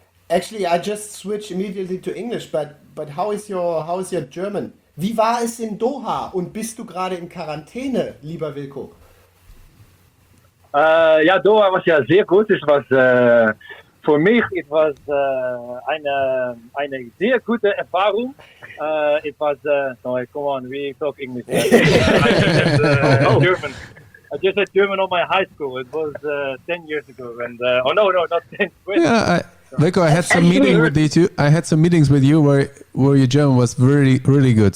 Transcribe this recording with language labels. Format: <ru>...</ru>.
<en>Actually, I just switched immediately to English, but how is your German?</en> <de>Wie war es in Doha und bist du gerade in Quarantäne, lieber Wilco? Ja, Doha war ja sehr gut. Es war für mich eine sehr gute Erfahrung.</de> <en>It was come on, we talk English. Yeah. German. I just had German on my high school. It was 10 years ago, and not 10. Yeah, Wilco, I had some meetings with you. I had some meetings with you where your German was really really good.</en>